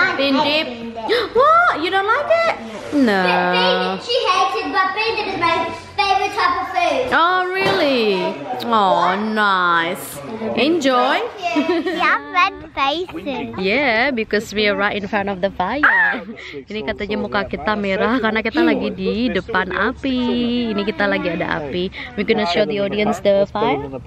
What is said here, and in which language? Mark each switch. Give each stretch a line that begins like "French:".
English: Bindip. What? You don't like it? No. She hates it, but bindip is my favorite type of food. Oh, really? Oh, nice. Enjoy. Yeah, red faces. Yeah, because we are right in front of the fire.
Indonesian: Ini katanya muka kita merah karena kita lagi di depan api. Ini kita lagi ada api.
English: We're gonna show the audience the fire.